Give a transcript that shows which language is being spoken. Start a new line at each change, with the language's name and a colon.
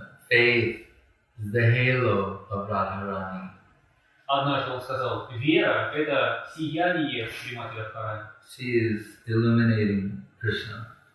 English: Faith is the halo of Radharani.
Russian: Однажды он сказал, вера – это сияние Шримати Радхарани.
English: She is illuminating Krishna.